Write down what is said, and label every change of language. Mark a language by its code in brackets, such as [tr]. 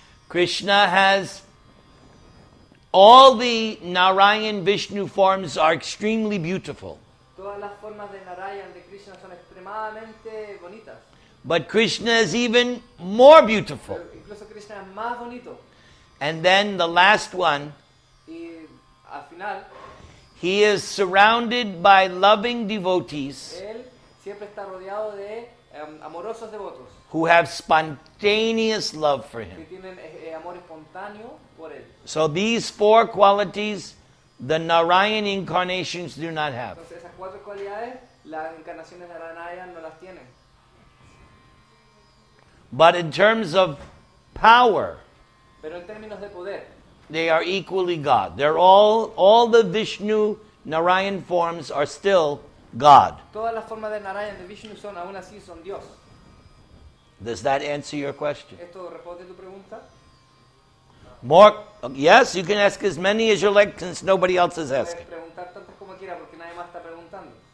[en] Krishna has all the Narayan Vishnu forms are extremely beautiful. [es] Todas las formas de Narayan de Krishna son extremadamente bonitas. [en] But Krishna is even more beautiful. [es] Incluso Krishna es más bonito. [en] And then the last one, [es] y al final, [en] he is surrounded by loving devotees, [es] él siempre está rodeado de, amorosos devotos, [en] who have spontaneous love for him. [es] Que tienen, amor espontáneo por él. [en] So these four qualities, the Narayan incarnations do not have. [es] Entonces esas cuatro cualidades, las encarnaciones de Narayan no las tienen. [en] But in terms of power, [es] pero en términos de poder, [en] they are equally God. They're all the Vishnu Narayan forms are still God. [es] Todas las formas de Narayan de Vishnu son aún así son Dios. [en] Does that answer your question? [es] ¿Esto responde tu pregunta? [en] More, yes, you can ask as many as you like since nobody else is asking. [es] Puedes preguntar tantas como quieras porque nadie más está preguntando.